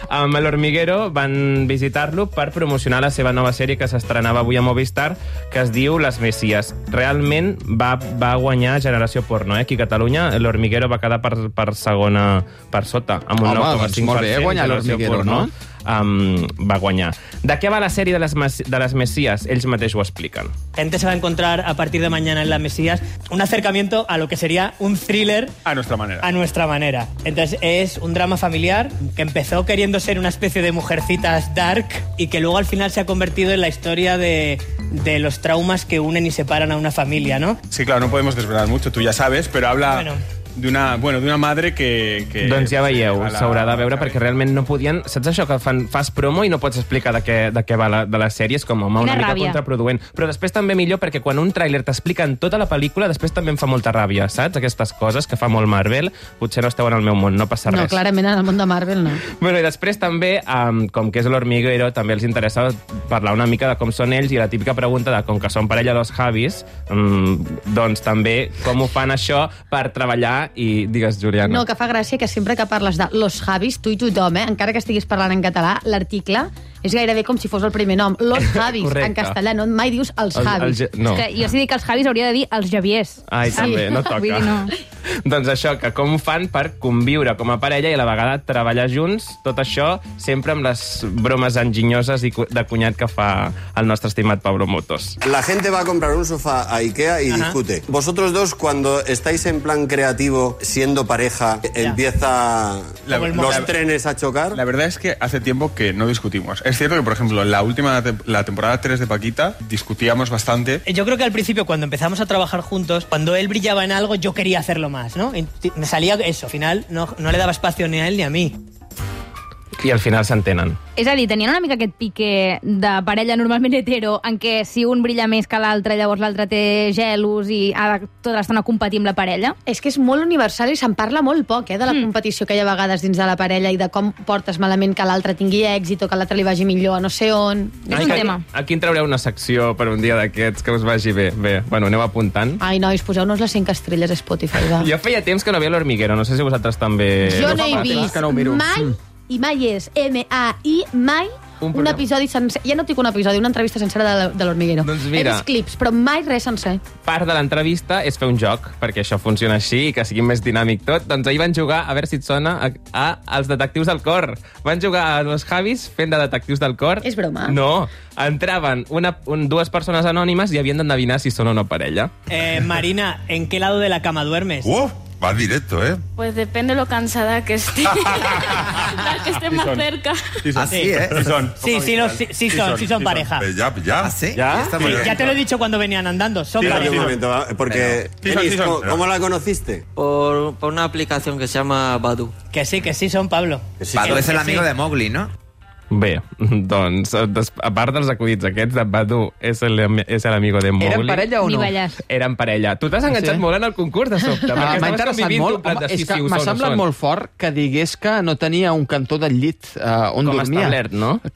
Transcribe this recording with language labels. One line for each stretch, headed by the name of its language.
Catalan: Amb l'Hormiguero van visitar-lo per promocionar la seva nova sèrie que s'estrenava avui a Movistar, que es diu Les Messies. Realment va guanyar Generació Porno, aquí a Catalunya. L'Hormiguero va quedar per segona, per sota, amb un 9,5%. Home, molt bé, guanyar l'Hormiguero, no? Va guanyar.
Spanish: ¿De qué va la serie de las Mesías? Ellos mateixos lo explican. Gente se va a encontrar a partir de mañana en Las Mesías un acercamiento a lo que sería un thriller... A nuestra manera. A nuestra manera. Entonces es un drama familiar que empezó queriendo ser una especie de Mujercitas dark y que luego al final se ha convertido en la historia de los traumas que unen y separan a una familia, ¿no? Sí, claro, no podemos desvelar mucho, tú ya sabes, pero habla... Bueno. D'una madre que...
Catalan: Doncs ja veieu, s'haurà de veure, perquè realment no podien... Saps això, que fas promo i no pots explicar de què va la sèrie? És com, home, una mica contraproduent. Però després també millor, perquè quan un tràiler t'explica en tota la pel·lícula, després també em fa molta ràbia, saps? Aquestes coses que fa molt Marvel. Potser no esteu en el meu món, no passa res. No, clarament en el món de Marvel no. Bueno, i després també, com que és l'Hormiguero, també els interessa parlar una mica de com són ells, i la típica pregunta de, com que són parella dels Javis, doncs també com ho fan això per treballar i digues, Juliana. No, que fa gràcia que sempre que parles de Los Javis, tu i tothom, encara que estiguis parlant en català, l'article és gairebé com si fos el primer nom. Los Javis, en castellà, no mai dius els Javis. No. És que jo si dic els Javis hauria de dir els Javiers. Ai, sí. També, no toca. Vull dir, no. Doncs això, que com fan per conviure com a parella i a la vegada treballar junts, tot això sempre amb les bromes enginyoses i de cunyat que fa el nostre estimat Pablo Motos.
Spanish: La gente va a comprar un sofà a IKEA y discute. Vosotros dos, cuando estáis en plan creativo, siendo pareja, empieza los trenes a chocar. La verdad es que hace tiempo que no discutimos. Es cierto que, por ejemplo, la última, la temporada 3 de Paquita, discutíamos bastante. Yo creo que al principio, cuando empezamos a trabajar juntos, cuando él brillaba en algo, yo quería hacerlo más, ¿no? Me salía eso. Al final no le daba espacio ni a él ni a mí.
Catalan: I al final s'entenen. És a dir, tenien una mica aquest pique de parella normalment hetero en què si un brilla més que l'altre, llavors l'altre té gelos i ha de tota l'estona competir amb la parella? És que és molt universal i se'n parla molt poc, de la competició que hi ha a vegades dins de la parella i de com portes malament que l'altre tingui èxit o que l'altre li vagi millor a no sé on. És un tema. Aquí en traureu una secció per un dia d'aquests que us vagi bé. Bé, bueno, aneu apuntant. Ai, nois, poseu-nos les 5 estrelles a Spotify. Va. Jo feia temps que no veia l'Hormiguero, no sé si vosaltres també... Jo no he vist que no miro. Mai... I mai és, M-A-I, mai, un episodi sencer. Ja no tinc un episodi, una entrevista sencera de l'Hormiguero. Doncs mira, he vist clips, però mai res sencer. Part de l'entrevista és fer un joc, perquè això funciona així i que sigui més dinàmic tot. Doncs ahir van jugar, a veure si et sona, a Els Detectius del Cor. Van jugar a Los Javis fent de Detectius del Cor. És broma. No, entraven dues persones anònimes i havien d'endevinar si són o no parella.
Spanish: Marina, ¿en qué lado de la cama duermes? Va directo, ¿eh? Pues depende lo cansada que esté. que esté más cerca. Así, ¿eh? Sí, son pareja. Ya. ¿Ah, sí? ¿Ya? Sí, ya te lo he dicho cuando venían andando. Son pareja. Un momento, porque... ¿Cómo la conociste? Por una aplicación que se llama Badu. Que sí, son Pablo. Badu es el amigo de Mowgli, ¿no?
Catalan: Bé, doncs, a part dels acudits aquests de Badu, és l'amigo de Mowgli. Eren parella o no? Eren parella. Tu t'has enganxat molt en el concurs, de sobte. M'ha interessat molt. M'ha semblat molt fort que digués que no tenia un cantó del llit on com dormia. Com establert, no?